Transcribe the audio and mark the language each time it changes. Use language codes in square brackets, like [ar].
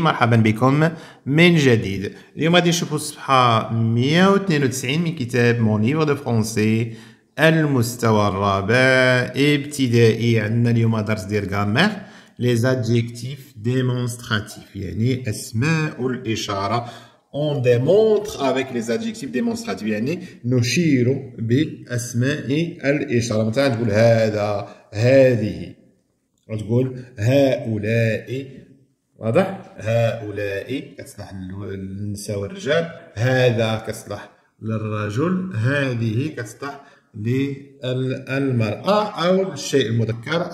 [ar] مرحبا بكم من جديد. اليوم غادي نشوفوا الصفحة 192 من كتاب مون ليفر دو فرونسي المستوى الرابع ابتدائي. عندنا اليوم درس ديال غرامير [fr] لي زادجيكتيف ديمونستراتيف، [ar] يعني أسماء الإشارة. [fr] On démontre avec les adjectifs démonstratifs. [ar] يعني نشير بالأسماء الإشارة. مثلا تقول هذا، هذه، تقول هؤلاء. واضح؟ هؤلاء كتصلح للنساء والرجال، هذا كتصلح للرجل، هذه كتصلح للمرأة أو الشيء المذكر.